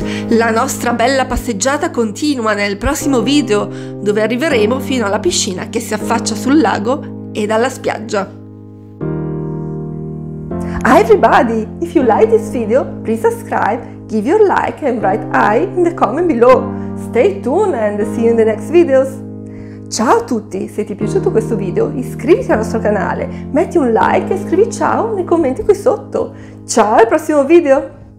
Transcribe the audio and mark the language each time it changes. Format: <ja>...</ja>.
<it>La nostra bella passeggiata continua nel prossimo video, dove arriveremo fino alla piscina che si affaccia sul lago e dalla spiaggia.</it> <en>Hi everybody! If you like this video, please subscribe, give your like and write I in the comment below. Stay tuned and see you in the next videos!</en> <it>Ciao a tutti! Se ti è piaciuto questo video, iscriviti al nostro canale, metti un like e scrivi ciao nei commenti qui sotto. Ciao al prossimo video!</it>